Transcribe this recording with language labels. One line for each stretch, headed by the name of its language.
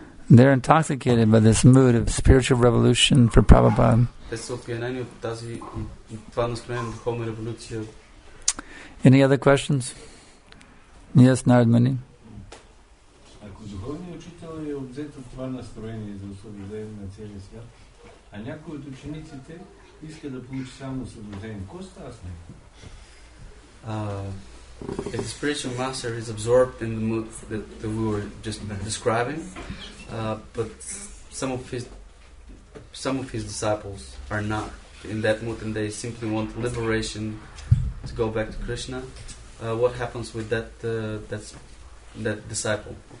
English: They're intoxicated by this mood of spiritual revolution for Prabhupada. Any other questions? Yes, Narad Muni.
Bulgarian: Ако духовният учител е отзет от това настроение за освобождение на целия свят, а някои от учениците иска да получи само освобождение. Кой става с него?
English: If the spiritual master is absorbed in the mood that, that we were just describing, but some of his disciples are not in that mood and they simply want liberation to go back to Krishna, what happens with that that disciple?